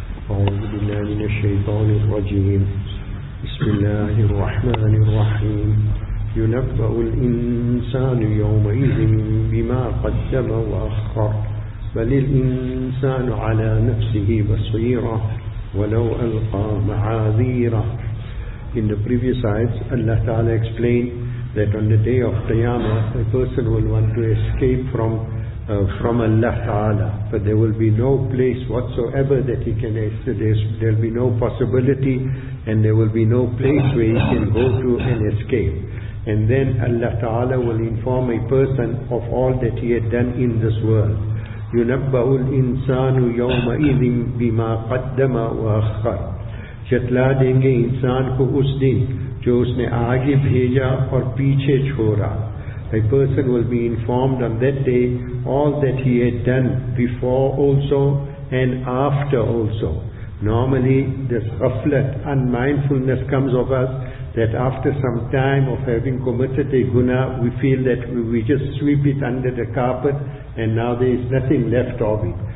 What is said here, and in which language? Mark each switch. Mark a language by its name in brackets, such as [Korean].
[Arabic] أعوذ بالله من الشيطان الرجيم. بسم الله الرحمن الرحيم. ينبأ الإنسان يومئذ بما قدم وأخر، بل الإنسان على نفسه بصيرة ولو ألقى معاذيرة. [English] In the previous ayat, Allah Ta'ala explained that on the day of Qiyamah, a person will want to escape from Allah Ta'ala, but there will be no place whatsoever that he can escape. There will be no possibility, and there will be no place where he can go to and escape. And then Allah Ta'ala will inform a person of all that he had done in this world. [Arabic] يُنَبَّأُ الْإِنسَانُ يَوْمَئِذٍ بِمَا قَدَّمَ وَأَخَّرَ. [Urdu] چتلا دیں گے انسان کو اس دن جو اس نے آگے بھیجا اور پیچھے چھوڑا. [English] A person will be informed on that day all that he had done before also and after also. Normally this ghaflat, unmindfulness comes of us that after some time of having committed a guna, we feel that we just sweep it under the carpet and now there is nothing left of it.